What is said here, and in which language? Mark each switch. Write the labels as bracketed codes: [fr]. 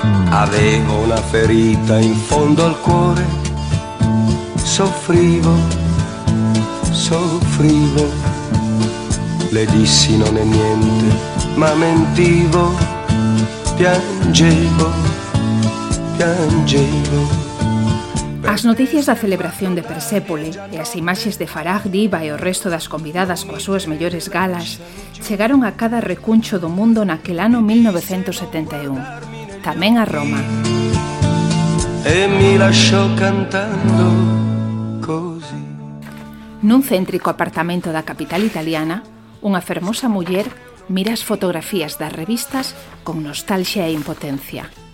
[it] Avevo una ferita in fondo al cuore, soffrivo, soffrivo. Le dissi non è niente, ma mentivo, piangevo, piangevo. [gl] As noticias da celebración de Persépole e as imaxes de Farah Diva e o resto das convidadas coas súas mellores galas chegaron a cada recuncho do mundo naquel ano 1971, tamén a Roma. [it] E mi lasciò cantando così. [gl] Nun céntrico apartamento da capital italiana, unha fermosa muller mira as fotografías das revistas con nostalgia e impotencia.